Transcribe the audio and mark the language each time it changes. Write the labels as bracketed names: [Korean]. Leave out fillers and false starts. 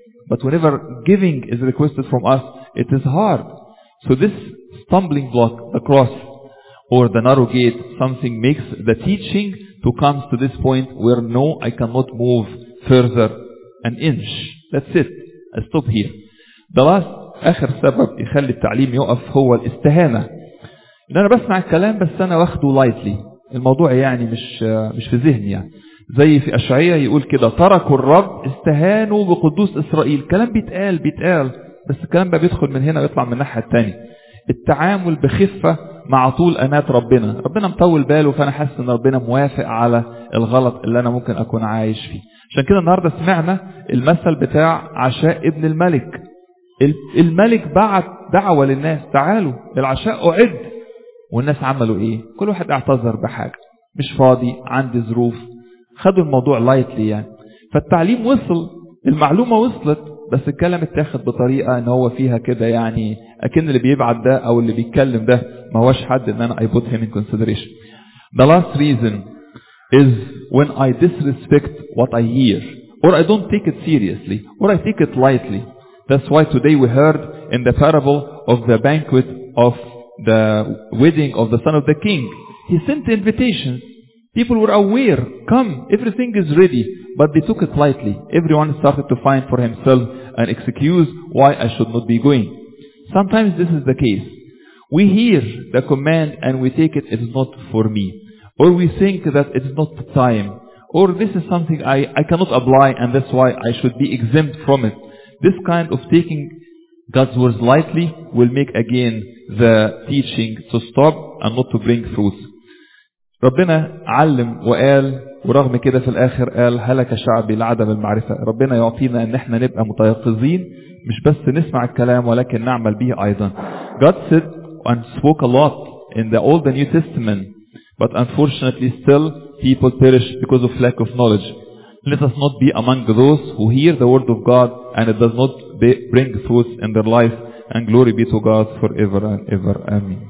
[English] But whenever giving is requested from us, it is hard. So this stumbling block, the cross, or the narrow gate, something makes the teaching to come to this point where no, I cannot move further an inch. That's it. I stop here. The last, [Arabic] آخر سبب يخلي التعليم يقف هو الاستهانة. إن أنا بسمع الكلام بس أنا واخده lightly. الموضوع يعني مش في ذهني يعني. زي في أشعياء يقول كده, تركوا الرب استهانوا بقدوس إسرائيل. كلام بيتقال بس الكلام بقى بيدخل من هنا ويطلع من ناحية تانية. التعامل بخفة مع طول أنات ربنا. ربنا مطول باله, فأنا حاسس أن ربنا موافق على الغلط اللي أنا ممكن أكون عايش فيه. عشان كده النهاردة سمعنا المثل بتاع عشاء ابن الملك. الملك بعت دعوة للناس, تعالوا العشاء أعد, والناس عملوا إيه؟ كل واحد اعتذر بحاجة, مش فاضي, عندي ظروف, خدوا الموضوع لايتلي يعني. فالتعليم وصل, المعلومة وصلت, بس الكلام اتاخد بطريقة ان هو فيها كده يعني اكن اللي بيبعت ده او اللي بيتكلم ده ما هوش حد ان انا [English] I put him in consideration. The last reason is when I disrespect what I hear or I don't take it seriously or I take it lightly. That's why today we heard in the parable of the banquet of the wedding of the son of the king. He sent invitations. People were aware, come, everything is ready, but they took it lightly. Everyone started to find for himself an excuse why I should not be going. Sometimes this is the case. We hear the command and we take it, it's not for me. Or we think that it's not the time. Or this is something I cannot apply and that's why I should be exempt from it. This kind of taking God's words lightly will make again the teaching to stop and not to bring fruit. [Arabic] ربنا علم وقال, ورغم كده في الآخر قال هلك شعبي لعدم المعرفة. ربنا يعطينا أن احنا نبقى متيقظين, مش بس نسمع الكلام ولكن نعمل به أيضا. [English] God said and spoke a lot in the Old and New Testament, but unfortunately still people perish because of lack of knowledge. Let us not be among those who hear the word of God and it does not bring fruits in their life, and glory be to God forever and ever. Amen.